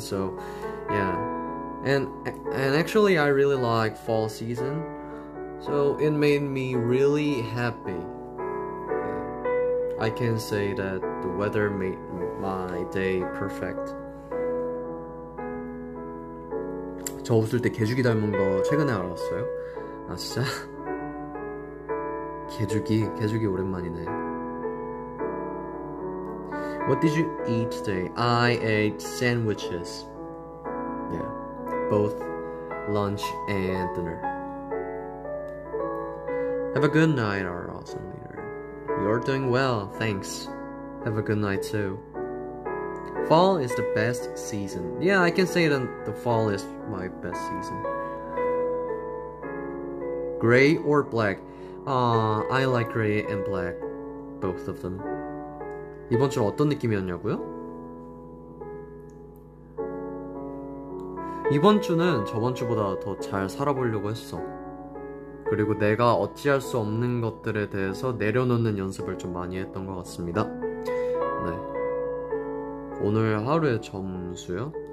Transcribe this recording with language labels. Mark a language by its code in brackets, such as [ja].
[en] So, yeah, and actually, I really like fall season. So it made me really happy. I can say that the weather made my day perfect. [ko] 저 없을 때 개죽이 닮은 거 최근에 알았어요. 아 진짜? 개죽이 오랜만이네. [en] What did you eat today? I ate sandwiches. Yeah, both lunch and dinner. Have a good night, our awesome leader. You're doing well, thanks. Have a good night too. Fall is the best season. Yeah, I can say that the fall is my best season. Gray or black? I like gray and black, both of them. [ko] 이번 주 어떤 느낌이었냐고요? 이번 주는 저번 주보다 더잘 살아보려고 했어. 그리고 내가 어찌할 수 없는 것들에 대해서 내려놓는 연습을 좀 많이 했던 것 같습니다. 네. 오늘 하루의 점수요?